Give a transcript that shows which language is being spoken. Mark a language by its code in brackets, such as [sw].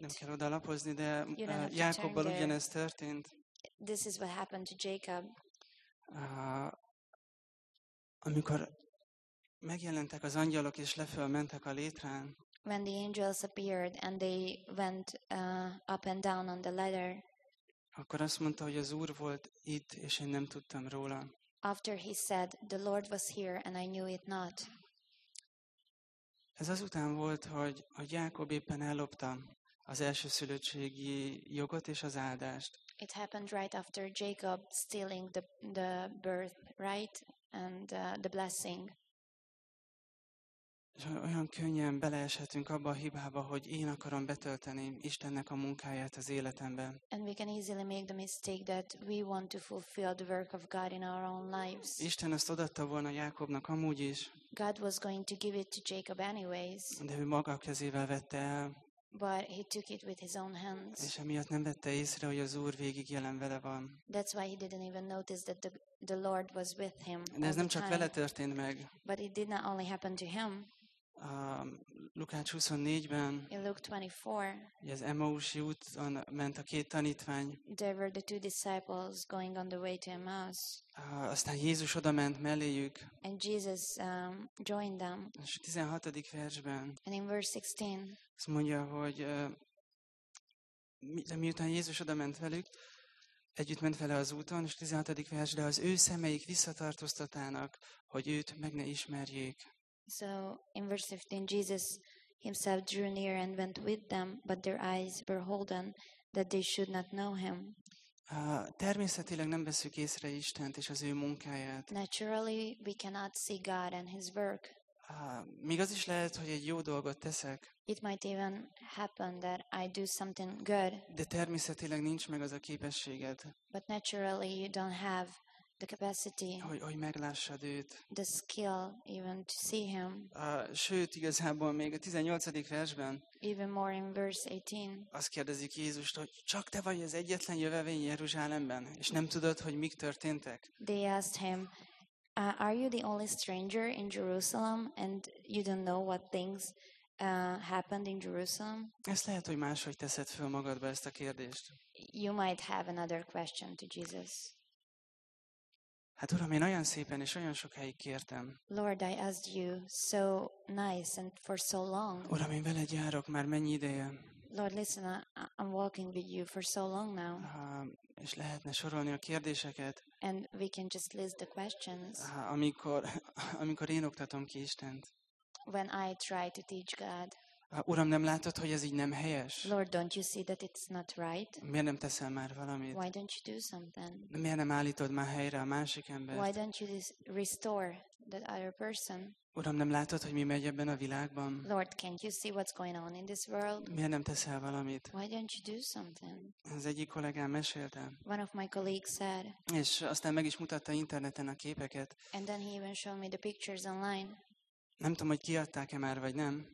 [hu] Nem kell oda lapozni, de Jákobbal ugyanez történt. [en] This is what happened to Jacob. [hu] Amikor megjelentek az angyalok és lefölmentek a létrán. [en] When the angels appeared and they went up and down on the ladder. [hu] Akkor azt mondta, hogy az Úr volt itt, és én nem tudtam róla. [en] After he said, the Lord was here and I knew it not. [hu] Ez azután volt, hogy Jákob éppen ellopta az elsőszülöttségi jogot és az áldást. [en] It happened right after Jacob stealing the birth, right? And the blessing. [hu] És olyan könnyen beleeshetünk abba a hibába, hogy én akarom betölteni Istennek a munkáját az életemben. [en] And we can easily make the mistake that we want to fulfill the work of God in our own lives. [hu] Isten ezt odaadta volna Jákobnak amúgy is. [en] God was going to give it to Jacob anyways. [hu] De ő maga kezével vette el. [en] But he took it with his own hands. [hu] És emiatt nem vette észre, hogy az Úr végig jelen vele van. [en] That's why he didn't even notice that the Lord was with him. [hu] De ez nem csak vele történt meg. [en] But it did not only happen to him. [hu] Lukács 24-ben. [en] In Luke 24. [hu] Az Emmausi úton ment a két tanítvány. [en] There were the two disciples going on the way to Emmaus. [hu] Aztán Jézus oda ment melléjük. [en] And Jesus joined them. [hu] És 16. versben. [en] And in verse 16. [hu] Azt mondja, hogy miután Jézus oda ment velük, együtt ment vele az úton, és 16. vers, de az ő szemeik visszatartóztatának, hogy őt meg ne ismerjék. [en] So, in verse 15, Jesus himself drew near and went with them, but their eyes were holden, that they should not know him. [hu] Természetileg nem veszük észre Istent és az ő munkáját. [en] Naturally, we cannot see God and his work. [hu] Még az is lehet, hogy egy jó dolgot teszek. [en] It might even happen that I do something good. [hu] De természetileg nincs meg az a képességed. [en] But naturally you don't have the capacity. [hu] Hogy meglássad őt. [en] The skill even to see him. [hu] Sőt, igazából még a 18. versben. [en] Even more in verse 18. [hu] Azt kérdezik Jézust, hogy csak te vagy az egyetlen jövevény Jeruzsálemben, és nem tudod, hogy mik történtek. [en] They asked him, are you the only stranger in Jerusalem and you don't know what things happened in Jerusalem? [hu] Ezt lehet, hogy máshogy teszed föl magadba ezt a kérdést. [en] You might have another question to Jesus. [hu] Hát Uram, én olyan szépen és olyan sokáig kértem. [en] Lord, I asked you so nice and for so long. [hu] Uram, én veled járok már mennyi ideje. [en] Lord, listen, I'm walking with you for so long now. [hu] És lehetne sorolni a kérdéseket. [en] And we can just list the questions. [hu] Amikor én oktatom ki Istent. [en] When I try to teach God. [hu] Uram, nem látod, hogy ez így nem helyes? [en] Lord, don't you see that it's not right? [hu] Miért nem teszel már valamit? [en] Why don't you do something? [hu] Miért nem állítod már helyre a másik embert? [en] Why don't you restore that other person? [hu] Uram, nem látod, hogy mi megy ebben a világban? [en] Lord, can't you see what's going on in this world? [hu] Miért nem teszel valamit? [en] Why don't you do something? [hu] Az egyik kollégám mesélte. [en] One of my colleagues said. [hu] És aztán meg is mutatta interneten a képeket. [en] And then he even showed me the pictures online. [hu] Nem tudom, hogy kiadták-e már, vagy nem.